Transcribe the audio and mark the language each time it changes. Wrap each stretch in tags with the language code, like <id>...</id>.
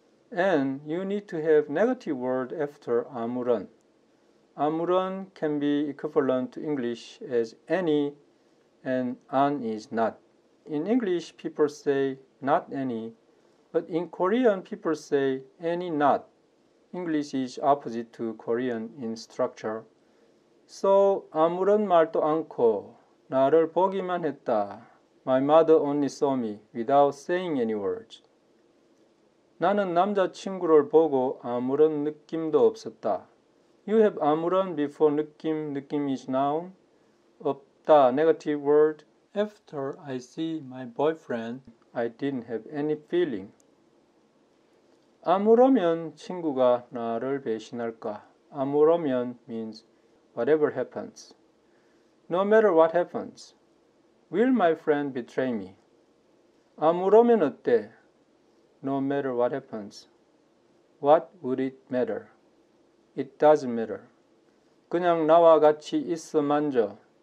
<en>And you need to have negative word after 아무런. 아무런 can be equivalent to English as any and an is not. In English, people say not any, but in Korean, people say any not. English is opposite to Korean in structure.</en> <ko>So, 아무런 말도 않고 나를 보기만 했다.</ko> <en>My mother only saw me without saying any words.</en> <ko>나는 남자친구를 보고 아무런 느낌도 없었다.</ko> <en>You have 아무런 before 느낌, 느낌 is noun. 없다, negative word. After I see my boyfriend, I didn't have any feeling.</en> <ko>아무러면 친구가 나를 배신할까?</ko> <en>아무러면 means whatever happens. No matter what happens, will my friend betray me?</en> <ko>아무러면 어때?</ko> <en>No matter what happens, what would it matter? It doesn't matter.</en> <ko>그냥 나와 같이 있어 만져.</ko>